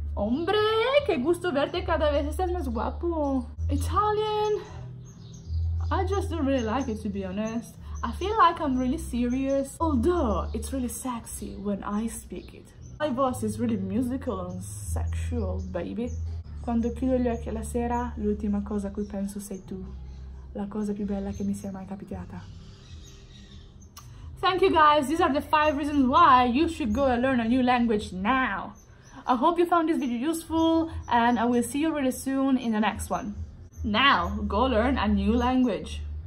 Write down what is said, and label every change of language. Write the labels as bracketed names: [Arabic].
[Spanish] Hombre, qué gusto verte cada vez estás más guapo. [English] Italian? I just don't really like it, to be honest. I feel like I'm really serious, although it's really sexy when I speak it. My voice is really musical and sexual, baby. [Italian] Quando chiudo gli occhi la sera, l'ultima cosa a cui penso sei tu. La cosa più bella che mi sia mai capitata. [English] Thank you guys, these are the 5 reasons why you should go and learn a new language now. I hope you found this video useful and I will see you really soon in the next one. Now, go learn a new language.